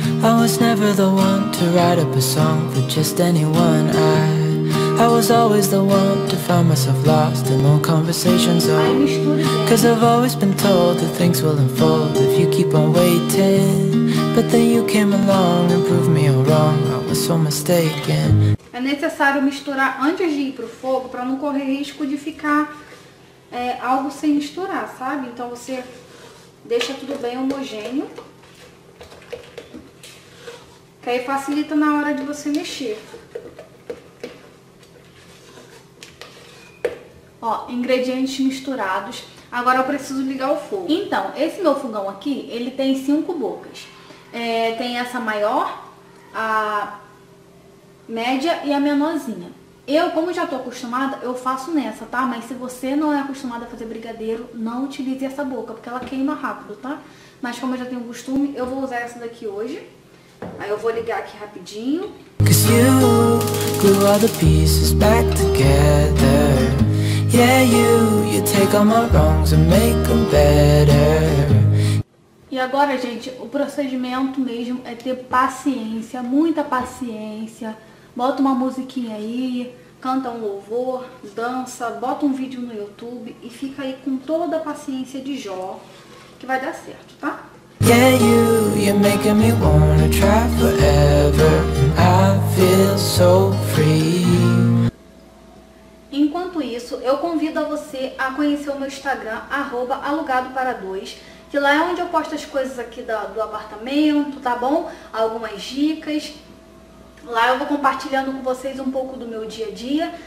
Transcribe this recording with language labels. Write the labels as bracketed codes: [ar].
[en] I was never the one to write up a song for just anyone. I was always the one to find myself lost in long conversations. Oh, 'cause I've always been told that things will unfold if you keep on waiting. But then you came along and proved me all wrong. I was so mistaken. [pt] É necessário misturar antes de ir pro fogo para não correr risco de ficar algo sem misturar, sabe? Então você deixa tudo bem homogêneo, que aí facilita na hora de você mexer. Ó, ingredientes misturados. Agora eu preciso ligar o fogo. Então, esse meu fogão aqui, ele tem 5 bocas. Tem essa maior, a média e a menorzinha. Eu, como já tô acostumada, eu faço nessa, tá? Mas se você não é acostumada a fazer brigadeiro, não utilize essa boca, porque ela queima rápido, tá? Mas como eu já tenho costume, eu vou usar essa daqui hoje. Aí eu vou ligar aqui rapidinho. [en] 'Cause you glue all the pieces back together. Yeah, you take all my wrongs and make them better. [pt] E agora, gente, o procedimento mesmo é ter paciência, muita paciência. Bota uma musiquinha aí, canta um louvor, dança, bota um vídeo no YouTube e fica aí com toda a paciência de Jó, que vai dar certo, tá? [en] Yeah, you're making me wanna try forever. I feel so free. [pt] Enquanto isso, eu convido a você a conhecer o meu Instagram, @alugadoparadois, que lá é onde eu posto as coisas aqui do apartamento, tá bom? Algumas dicas. Lá eu vou compartilhando com vocês um pouco do meu dia a dia.